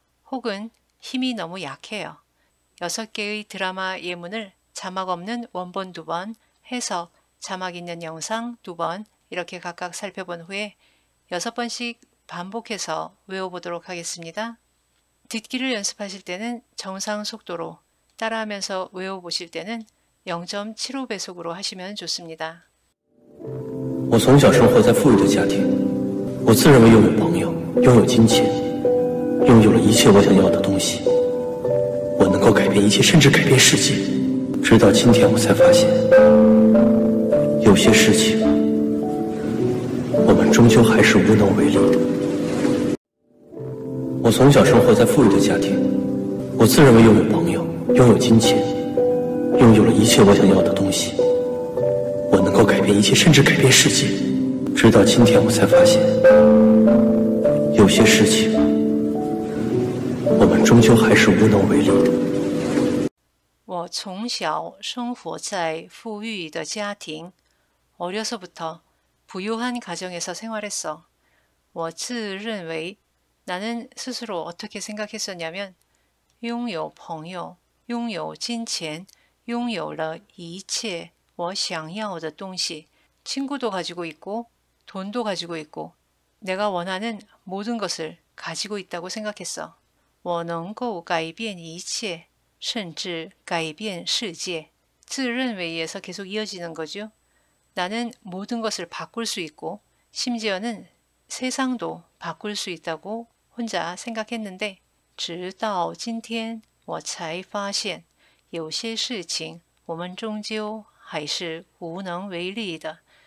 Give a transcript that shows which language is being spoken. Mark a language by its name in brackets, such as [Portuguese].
[Korean] 혹은 힘이 너무 약해요. 여섯 개의 드라마 예문을 자막 없는 원본 두 번, 해석, 자막 있는 영상 두 번, 이렇게 각각 살펴본 후에 여섯 번씩 반복해서 외워보도록 하겠습니다. 듣기를 연습하실 때는 정상 속도로, 따라하면서 외워보실 때는 0.75배속으로 하시면 좋습니다. [Chinese] 我从小生活在富裕的家庭，我自认为拥有朋友，拥有金钱，拥有了一切我想要的东西。我能够改变一切，甚至改变世界。直到今天，我才发现，有些事情，我们终究还是无能为力的。我从小生活在富裕的家庭，我自认为拥有朋友，拥有金钱，拥有了一切我想要的东西。我能够改变一切，甚至改变世界。直到今天，我才发现，有些事情，我们终究还是无能为力的。我从小生活在富裕的家庭， [Korean] 어려서부터부유한가정에서생활했어。 [Chinese] 我自认为， [Korean] 나는스스로어떻게생각했었냐면， [Chinese] 拥有朋友，拥有金钱，拥有了一切。我想要的东西， [Korean] 친구도 가지고 있고 돈도 가지고 있고 내가 원하는 모든 것을 가지고 있다고 생각했어。 [Chinese] 我能够改变一切，甚至改变世界。 [Korean] 自认为에서계속이어지는거죠。 나는 모든 것을 바꿀 수 있고 심지어는 세상도 바꿀 수 있다고 혼자 생각했는데 [Chinese] 直到今天，我才发现有些事情我们终究还是无能为力的。